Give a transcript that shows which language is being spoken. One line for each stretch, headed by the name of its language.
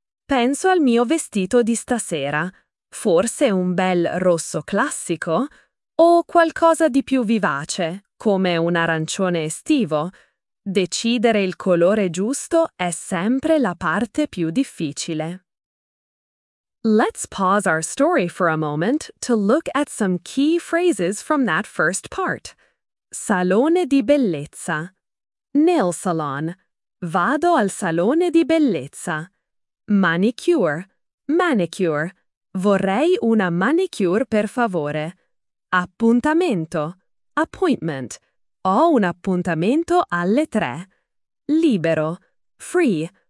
Italian: Penso al mio vestito di stasera. Forse un bel rosso classico? O qualcosa di più vivace, come un arancione estivo? Decidere il colore giusto è sempre la parte più difficile.
English: Let's pause our story for a moment to look at some key phrases from that first part.
Italian: Salone di bellezza.
English: Nail salon.
Italian: Vado al salone di bellezza. Manicure. Manicure. Vorrei una manicure, per favore. Appuntamento.
English: Appointment.
Italian: Ho un appuntamento alle 3. Libero.
English: Free.